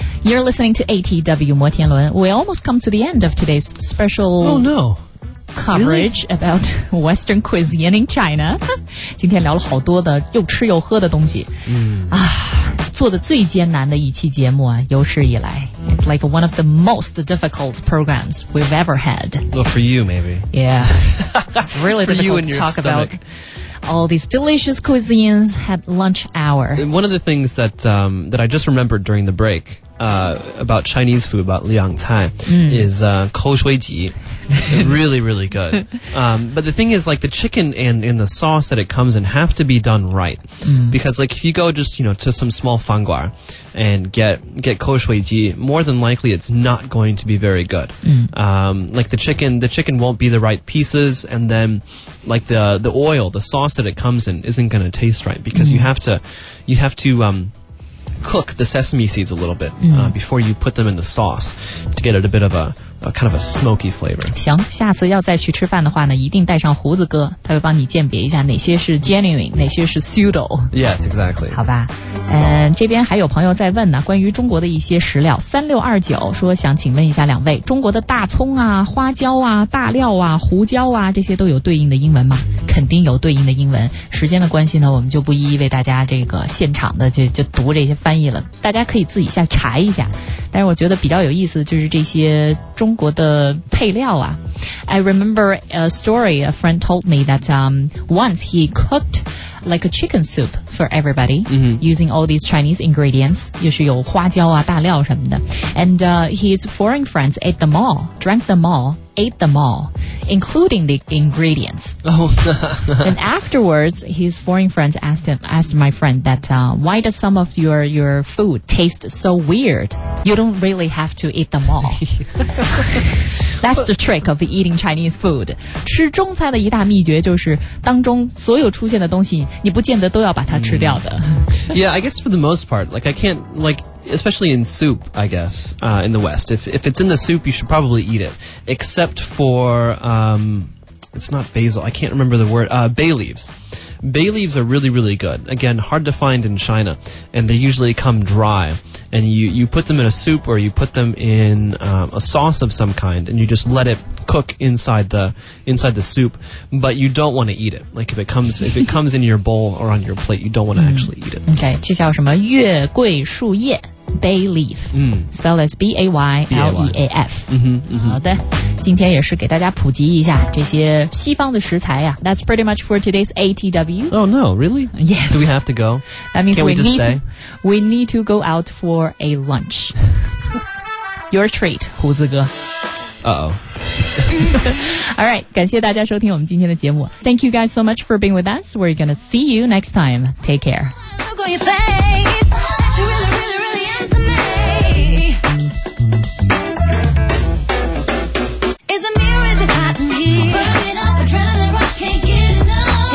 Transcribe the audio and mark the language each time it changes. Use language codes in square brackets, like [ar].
[en] You're listening to ATW 摩天轮. We almost come to the end of today's special coverage about Western cuisine in China. [zh] 今天聊了好多的又吃又喝的东西。做的最艰难的一期节目啊，有史以来。 [en] It's like one of the most difficult programs we've ever had. Well, for you, maybe. Yeah. It's really difficult to talk stomach. About. All these delicious cuisines at lunch hour. One of the things that, that I just remembered during the break, about Chinese food, about liang cai, is, kou shui ji. Really, really good. But the thing is, like, the chicken and the sauce that it comes in have to be done right. Because, like, if you go just, you know, to some small fanguar and get kou shui ji, more than likely it's not going to be very good. Like, the chicken won't be the right pieces, and then,like the oil, the sauce that it comes in isn't going to taste right because you have to cook the sesame seeds a little bit before you put them in the sauce to get it a bit of a kind of a smoky flavor. [zh] 行，下次要再去吃饭的话呢，一定带上胡子哥，他会帮你鉴别一下哪些是 genuine， 哪些是 pseudo. [en] Yes, exactly. [zh] 好吧，这边还有朋友在问呢，关于中国的一些食料。 3629说想请问一下两位，中国的大葱啊、花椒啊、大料啊、胡椒啊，这些都有对应的英文吗？肯定有对应的英文。时间的关系呢，我们就不一一为大家这个现场的就读这些翻译了，大家可以自己下查一下。但是我觉得比较有意思就是这些中国的配料啊。 [en] I remember a story a friend told me that once he cooked like a chicken soup for everybody using all these Chinese ingredients, [zh] 又是有花椒啊大料什么的。 [en] And his foreign friends ate them all, drank them all, ate them all, including the ingredients. And afterwards, his foreign friends asked my friend that why does some of your food taste so weird? You don't really have to eat them all. That's the trick of eating Chinese food. [zh] 吃中餐的一大秘诀就是当中所有出现的东西你不见得都要把它吃掉的。 [en] Yeah, I guess for the most part, like I can't, like... Especially in soup, I guess, in the West. If it's in the soup, you should probably eat it. Except for, it's not basil, I can't remember the word, bay leaves. Bay leaves are really, really good. Again, hard to find in China, and they usually come dry. And you put them in a soup, or you put them in a sauce of some kind, and you just let it cook inside the soup. But you don't want to eat it. Like, if it comes in your bowl or on your plate, you don't want to actually eat it. [zh] Okay, 这叫什么月桂树叶。 [en] bay leaf. Spell as B-A-Y-L-E-A-F. [zh] 好的，今天也是给大家普及一下这些西方的食材啊。 [en] That's pretty much for today's ATW. Oh no, really? Yes. Do we have to go? That means we need to, we need to go out for a lunch. Your treat, 胡子哥。 [zh] All right, 感谢大家收听我们今天的节目。 [en] Thank you guys so much for being with us. We're going to see you next time. Take care. Look on your face, that you really, really, really into me. Is it me or is it hot in here? Burning up, adrenaline rush, can't get enough.